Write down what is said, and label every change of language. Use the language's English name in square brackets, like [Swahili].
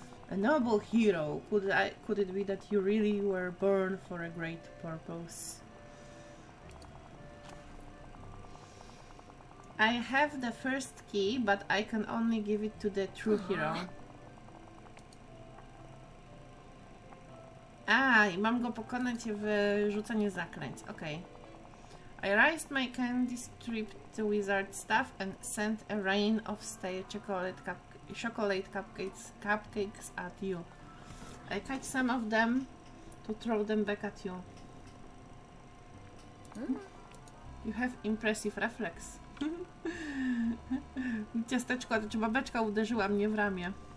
[English] A noble hero. Could it be that you really were born for a great purpose? I have the first key, but I can only give it to the true hero. [Polish] I mam go pokonać w rzuceniu zaklęć. Okej. [English] Okay. I raised my candy stripped the wizard staff and sent a rain of stale chocolate cupcakes at you. I catch some of them to throw them back at you. You have impressive reflex. [Polish] Ciasteczko, czy babeczka uderzyła mnie w ramię.